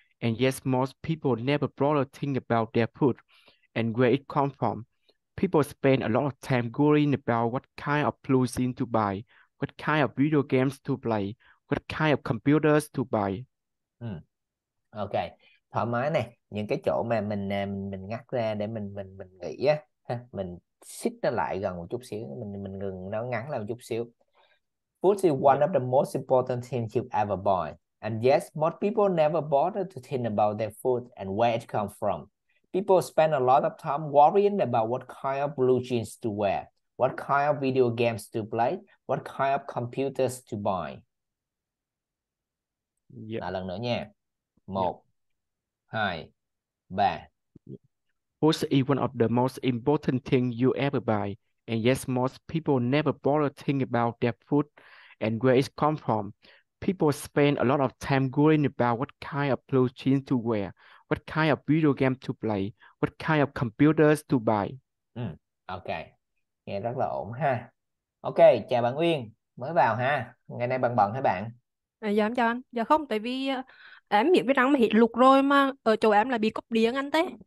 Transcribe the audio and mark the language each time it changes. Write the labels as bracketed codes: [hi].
[en] And yes, most people never bother think about their food and where it comes from. People spend a lot of time worrying about what kind of clothing to buy, what kind of video games to play, what kind of computers to buy. [vi] Ok, thoải mái này. Những cái chỗ mà mình ngắt ra để mình nghĩ á, ha, mình xích nó lại gần một chút xíu, mình ngừng nó ngắn lại một chút xíu. [en] Food is one of the most important things you ever buy. And yes, most people never bother to think about their food and where it comes from. People spend a lot of time worrying about what kind of blue jeans to wear, what kind of video games to play, what kind of computers to buy. Yeah. [vi] Lại lần nữa nha. Một, hai, ba. [en] Food is one of the most important things you ever buy. And yes, most people never bother thinking about their food and where it comes from. People spend a lot of time worrying about what kind of clothes to wear, what kind of video game to play, what kind of computers to buy. [vi] Ok, nghe rất là ổn ha. Ok, chào bạn Uyên, mới vào ha. Ngày nay bạn bận hả bạn? Dạ em chào anh. Dạ không, tại vì em miệng với răng mà hết lục rồi mà ở chỗ em là bị cúp điện anh thế.